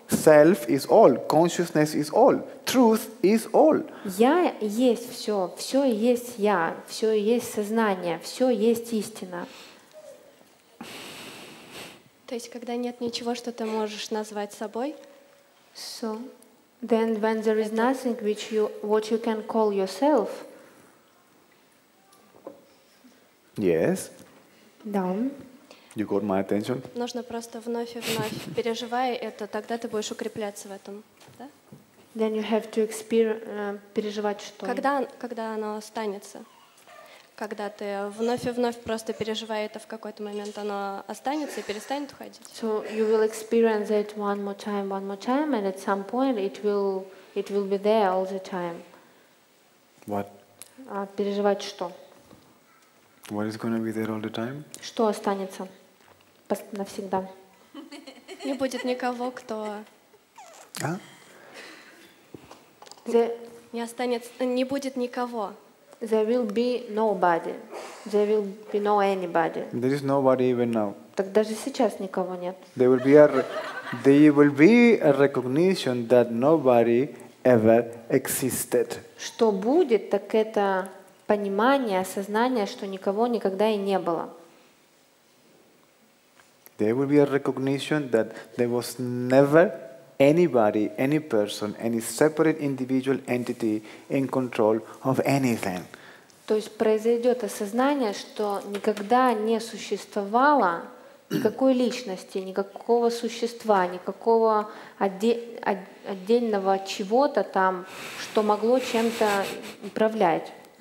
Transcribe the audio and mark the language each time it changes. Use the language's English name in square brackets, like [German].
[English] Self is all. Consciousness is all. Truth is all. [Russian] Я есть все. Все есть я. Все есть сознание. Все есть истина. То есть, когда нет ничего, что ты можешь назвать собой? [English] So, then when there is nothing which you, what you can call yourself? Yes. [Russian] Да. [English] You got my attention? [Russian] Нужно просто вновь и вновь переживая это, тогда ты будешь укрепляться в этом, да? [English] Then you have to [Russian] переживать что? Когда оно останется? Когда ты вновь и вновь просто переживая это, в какой-то момент оно останется и перестанет уходить. [English] So you will experience it one more time, and at some point it will be there all the time. What? [Russian] Переживать что? [English] What is going to be there all the time? [Russian] Что останется навсегда? Не будет никого, кто. А? Не останется, не будет никого. [English] There will be nobody. There will be no anybody. There is nobody even now. [Russian] Так даже сейчас никого нет. [English] There will be a recognition that nobody ever existed. [Russian] Что будет, так это понимание, осознание, что никого никогда и не было. [English] There will be a recognition that there was never anybody, any person, any separate individual entity in control of anything. [Russian] То есть произойдет осознание, что никогда не существовало никакой личности, никакого существа, никакого отдельного чего-то там, что могло чем-то управлять.